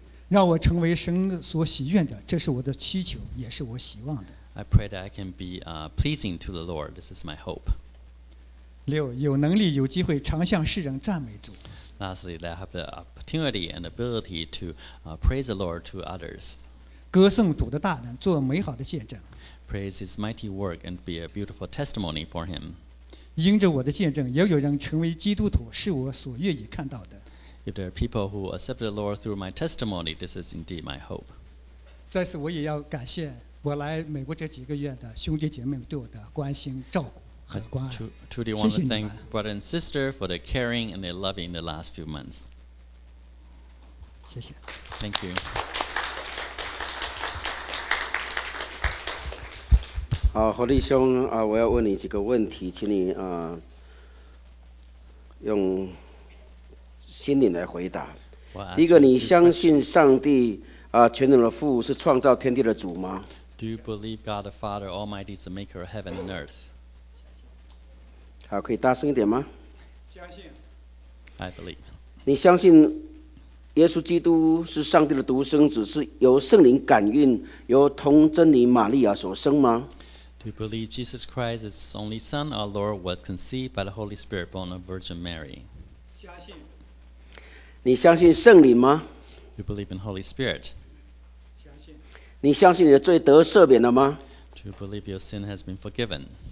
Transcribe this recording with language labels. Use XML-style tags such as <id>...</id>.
<zh>让我成为神所喜悦的，这是我的祈求，也是我希望的。</zh> <en>I pray that I can be pleasing to the Lord. This is my hope.</en> <zh>六，有能力有机会常向世人赞美主。</zh> <en>Lastly, they have the opportunity and ability to praise the Lord to others.</en> <zh>歌颂主的大能，做美好的见证。</zh> <en>Praise His mighty work and be a beautiful testimony for Him.</en> <zh>因着我的见证，也有人成为基督徒，是我所愿意看到的。</zh> <en>If there are people who accept the Lord through my testimony, this is indeed my hope.</en> <zh>再次，我也要感谢我来美国这几个月的兄弟姐妹对我的关心照顾。</zh> <en>Truly want to thank brother and sister for their caring and their loving the last few months.</en> <zh>谢谢。</zh> <en>Thank you.</en> <zh>好，何立兄啊，我要问你几个问题，请你啊用心灵来回答。第一个，你相信上帝啊全能的父是创造天地的主吗</zh> <en>？Do you believe God the Father Almighty is the maker of heaven and earth?</en> <zh>好，可以大声一点吗？相信。</zh> <en>I believe.</en> <zh>你相信耶稣基督是上帝的独生子，是由圣灵感孕，由童贞女玛利亚所生吗</zh> <en>？Do you believe Jesus Christ is His only Son, our Lord, was conceived by the Holy Spirit, born of Virgin Mary?</en> <zh>相信。你相信圣灵吗</zh> <en>？Do you believe in Holy Spirit?</en> <zh>相信。你相信你的罪得赦免了吗</zh> <en>？Do you believe your sin has been forgiven?</en>